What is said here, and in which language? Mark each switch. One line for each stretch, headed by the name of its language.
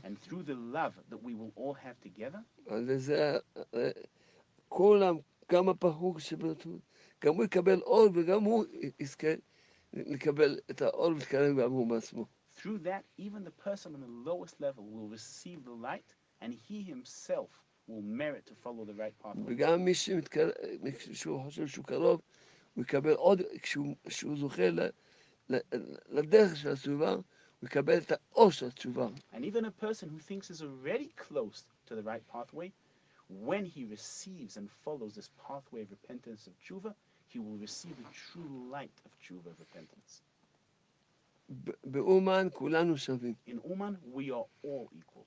English: And through the love that we will all have together.
Hebrew: על זה כולם, גם הפחוק שבטוח, גם הוא יקבל אור וגם הוא יזכה לקבל את האור ולהתקרב גם הוא בעצמו.
English: Through that, even the person on the lowest level will receive the light and he himself will merit to follow the right path.
Hebrew: וגם מי שהוא חושב שהוא קרוב, הוא יקבל עוד, כשהוא זוכה לדרך של התשובה, הוא יקבל את האור של התשובה.
English: And even a person who thinks is already close to the right pathway, when he receives and follows this pathway of repentance of tshuva, he will receive the true light of tshuva of repentance.
Hebrew: באומן כולנו שווים.
English: In Uman, we are all equal.